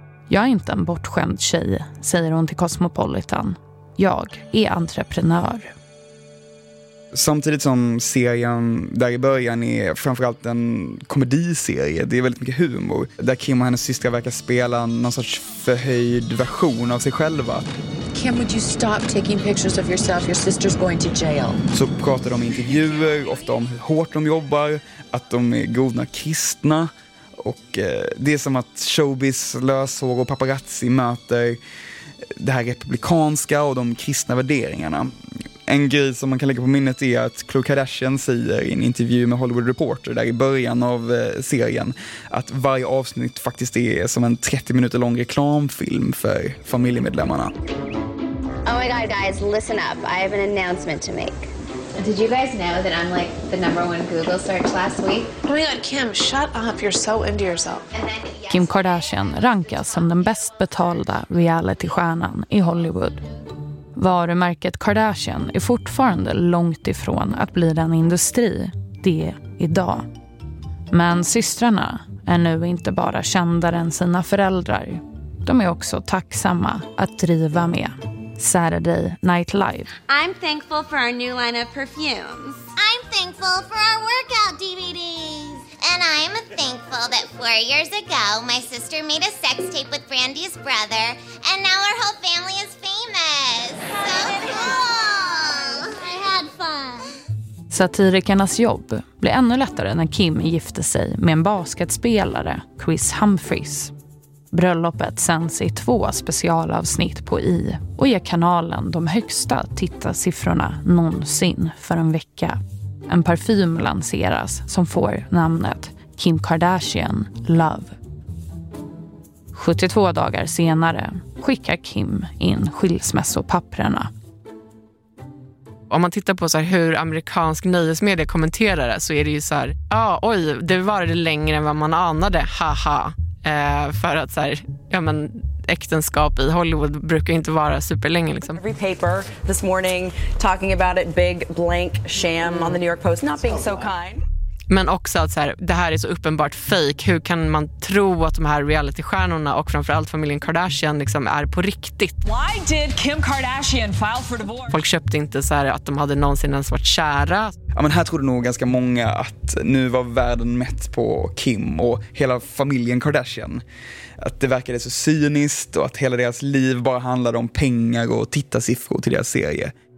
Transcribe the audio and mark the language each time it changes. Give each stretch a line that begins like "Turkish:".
Swedish: Jag är inte en bortskämd tjej, säger hon till Cosmopolitan. Jag är entreprenör. Samtidigt som serien där i början är framförallt en komediserie, det är väldigt mycket humor, där Kim och hennes systrar verkar spela någon sorts förhöjd version av sig själva.
English: Kim, would you stop taking pictures of yourself? Your sister's going to jail.
Swedish: Så pratar de i intervjuer, ofta om hur hårt de jobbar, att de är godna kristna. Och det är som att showbiz, löshår och paparazzi möter det här republikanska och de kristna värderingarna. En grej som man kan lägga på minnet är att Khloe Kardashian säger i en intervju med Hollywood Reporter där i början av serien att varje avsnitt faktiskt är som en 30 minuter lång reklamfilm för familjemedlemmarna.
English: Oh my god guys, listen up. I have an announcement to make. Did you guys know that I'm like the number one Google search last week? Oh my god, Kim, shut up. You're so into yourself.
Swedish: Kim Kardashian rankas som den bäst betalda reality-stjärnan i Hollywood. Varumärket Kardashian är fortfarande långt ifrån att bli den industri det är idag. Men systrarna är nu inte bara kända än sina föräldrar. De är också tacksamma att driva med Saturday Night Live.
English: I'm thankful for our new line of perfumes. I'm thankful for our workout DVDs. And I'm thankful that 4 years ago my sister made a sex tape with Brandy's brother and now our whole family is famous. So cool! I had fun.
Swedish: Satirikernas jobb blev ännu lättare när Kim gifte sig med en basketspelare, Chris Humphries. Bröllopet sänds i 2 specialavsnitt på i och ger kanalen de högsta tittarsiffrorna någonsin för en vecka. En parfym lanseras som får namnet Kim Kardashian Love. 72 dagar senare skickar Kim in skilsmässopapprena. Om man tittar på så här hur amerikansk nyhetsmedia kommenterar det, så är det ju så här, ja, oj, det varade längre än vad man anade, haha. För att så här, ja men, äktenskap i Hollywood brukar inte vara superlänge liksom.
English: Every paper this morning talking about it, big blank sham on the New York Post, not being so kind.
Swedish: Men också att så här, det här är så uppenbart fake. Hur kan man tro att de här realitystjärnorna och framförallt familjen Kardashian liksom är på riktigt?
English: Why did Kim Kardashian file for divorce?
Swedish: Folk köpte inte så här att de hade någonsin ens varit kära. Ja, men här trodde nog ganska många att nu var världen mätt på Kim och hela familjen Kardashian. Att det verkade så cyniskt och att hela deras liv bara handlade om pengar och tittarsiffror till deras serie.